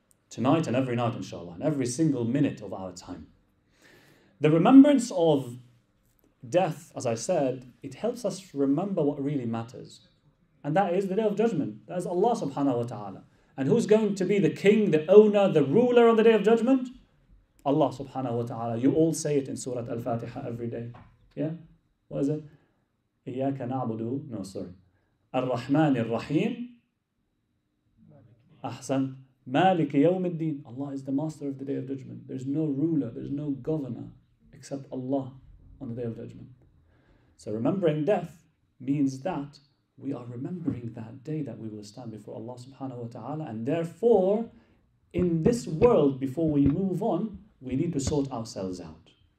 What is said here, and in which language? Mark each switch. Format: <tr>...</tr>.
<en>Tonight and every night, inshallah, and every single minute of our time. The remembrance of death, as I said, it helps us remember what really matters. And that is the Day of Judgment. That is Allah subhanahu wa ta'ala. And who's going to be the king, the owner, the ruler on the Day of Judgment? Allah subhanahu wa ta'ala. You all say it in Surah Al-Fatiha every day. Yeah? What is it?</en> <ar>إِيَّاكَ نَعْبُدُ.</ar> <en>No, sorry.</en> <ar>الرَّحْمَنِ الرَّحِيمِ أحسن مالك يوم الدين.</ar> <en>Allah is the master of the Day of Judgment. There's no ruler, there's no governor except Allah on the Day of Judgment. So remembering death means that we are remembering that day that we will stand before Allah subhanahu wa ta'ala, and therefore in this world, before we move on, we need to sort ourselves out.</en>